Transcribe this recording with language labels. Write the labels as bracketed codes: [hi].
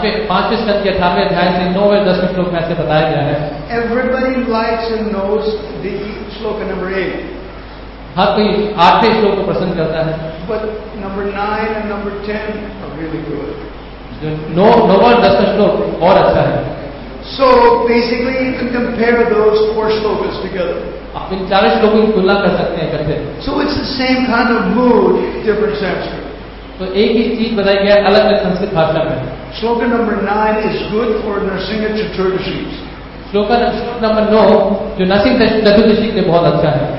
[hi] पांचवें स्तर के 18वें अध्याय से 9वें 10वें श्लोक में ऐसे बताया गया है [en] Everybody likes and knows the shloka number 8. [hi] हर कोई आठवें श्लोक को पसंद करता है [en] But number 9 and number 10 are really good. [hi] जो 9वां 10वां श्लोक और अच्छा है [en] So basically you can compare those four shlokas together. [hi] आप इन चार श्लोकों की तुलना कर सकते हैं करते [en] so it's the same kind of mood different Sanskrit [hi] तो एक ही चीज बताई गया अलग अलग संस्कृत भाषा में [en] श्लोक number 9 is good for Narasimha Chaturdashi [hi] श्लोक नंबर 9 जो नरसिंह चतुर्दशी के बहुत अच्छा है